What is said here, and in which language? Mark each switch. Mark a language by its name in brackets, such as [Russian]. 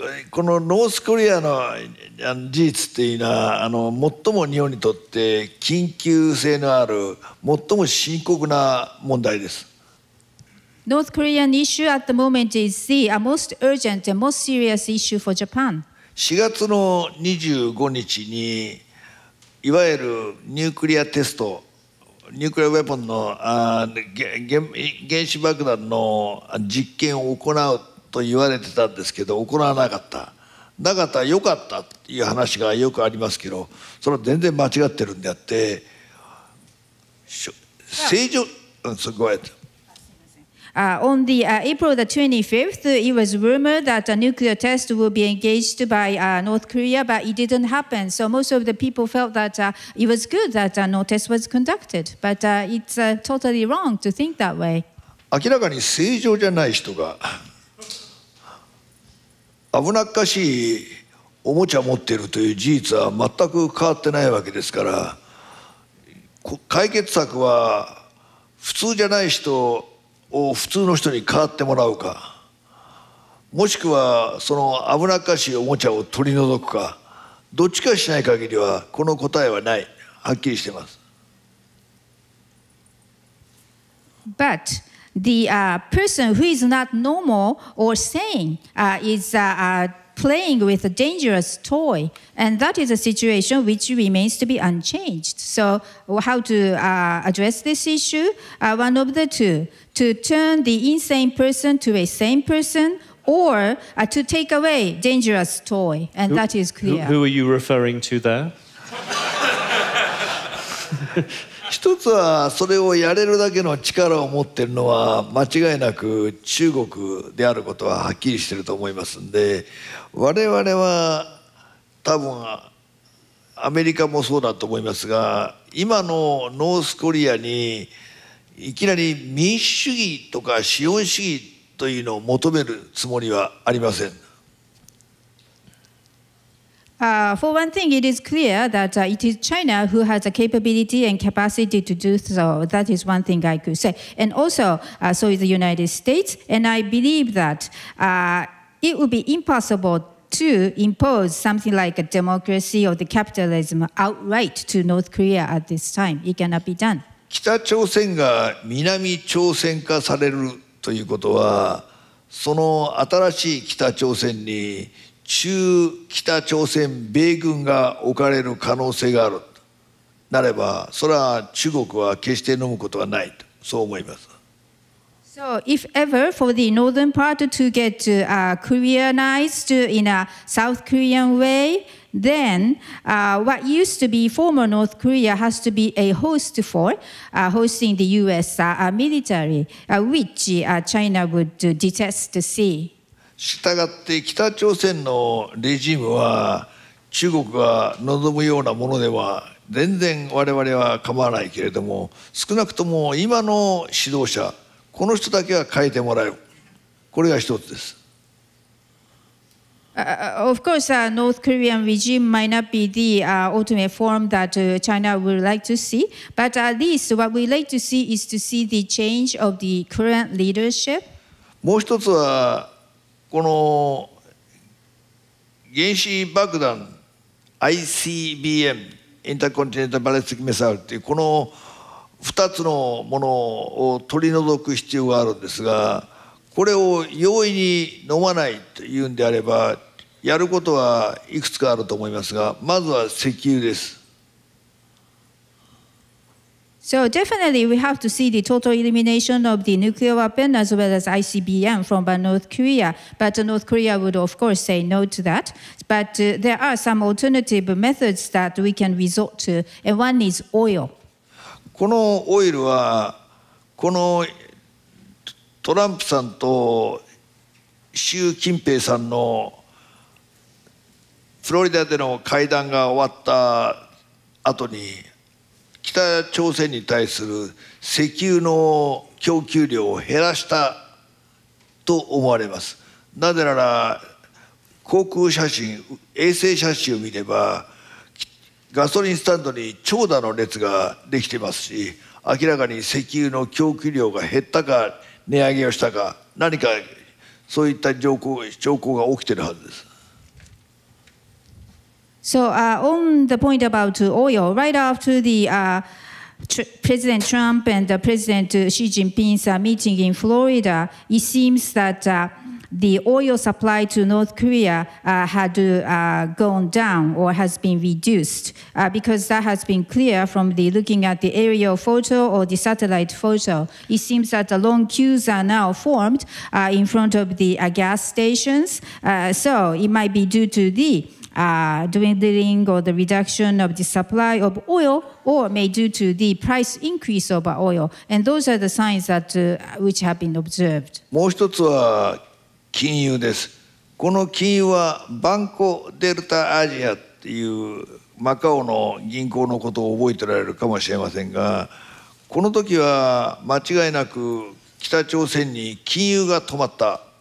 [Japanese] このノースコリアの事実っていうのは、最も日本にとって緊急性のある、最も深刻な問題です。 [English] North Korean issue at the moment is the most urgent and most serious issue for Japan. [Japanese] 4月の25日にいわゆるニュークリアテスト、ニュークリアウェポンの原子爆弾の実験を行うと言われてたんですけど、行わなかった。なかった、良かったっていう話がよくありますけど、それは全然間違ってるんであって、正常、すごい。 [English] On the April the 25th, it was rumored that a nuclear test will be engaged by North Korea, but it didn't happen. So most of the people felt that it was good that no test was conducted. But it's totally wrong to think that way. [Japanese] 明らかに正常じゃない人が危なっかしいおもちゃ持っているという事実は全く変わってないわけですから、解決策は普通じゃない人を普通の人に変わってもらうか、もしくはその危なっかしいおもちゃを取り除くか、どっちかしない限りはこの答えはない、はっきりしてます。 [English] But the person who is not normal or sane is playing with a dangerous toy, and that is a situation which remains to be unchanged. So how to address this issue? One of the two: to turn the insane person to a sane person, or to take away dangerous toy, and that is clear. Who are you referring to there? [Japanese] 一つはそれをやれるだけの力を持っているのは間違いなく中国であることははっきりしていると思いますので、我々は多分アメリカもそうだと思いますが、今のノースコリアにいきなり民主主義とか資本主義というのを求めるつもりはありません。 [English] For one thing, it is clear that it is China who has the capability and capacity to do so. That is one thing I could say. And also, so is the United States. And I believe that it would be impossible to impose something like a democracy or the capitalism outright to North Korea at this time. It cannot be done. [Japanese] 北朝鮮が南朝鮮化されるということは、その新しい北朝鮮に中北朝鮮米軍が置かれる可能性があるとなれば、それは中国は決して飲むことはないと、そう思います。 [English] So if ever for the northern part to get Koreanized in a South Korean way, then what used to be former North Korea has to be a host for hosting the U.S. Military, which China would detest to see. [Japanese] したがって北朝鮮のレジームは中国が望むようなものでは全然我々は構わないけれども、少なくとも今の指導者、この人だけは変えてもらえる、これが一つです。 [English] Of course, North Korean regime might not be the ultimate form that China would like to see, but at least what we like to see is to see the change of the current leadership. [Japanese] もう一つはこの原子爆弾 ICBM インターコンチネンタルバレスティックミサイルっていうこの2つのものを取り除く必要があるんですが、これを容易に飲まないというんであれば、やることはいくつかあると思いますが、まずは石油です。 [English] So definitely we have to see the total elimination of the nuclear weapon as well as ICBM from North Korea. But North Korea would of course say no to that. But there are some alternative methods that we can resort to. And one is oil. [Japanese] このオイルはこのトランプさんと習近平さんのフロリダでの会談が終わった後に北朝鮮に対する石油の供給量を減らしたと思われます。なぜなら航空写真、衛星写真を見ればガソリンスタンドに長蛇の列ができてますし、明らかに石油の供給量が減ったか値上げをしたか、何かそういった兆候が起きているはずです。 [English] So, on the point about oil, right after the President Trump and President Xi Jinping's meeting in Florida, it seems that the oil supply to North Korea had gone down or has been reduced because that has been clear from the looking at the aerial photo or the satellite photo. It seems that the long queues are now formed in front of the gas stations. So, it might be due to the dwindling or the reduction of the supply of oil, or may due to the price increase of oil. And those are the signs that, which have been observed. [Japanese] もう一つは金融です。この金融はバンコデルタアジアっていうマカオの銀行のことを覚えてられるかもしれませんが、この時は間違いなく北朝鮮に金融が止まった。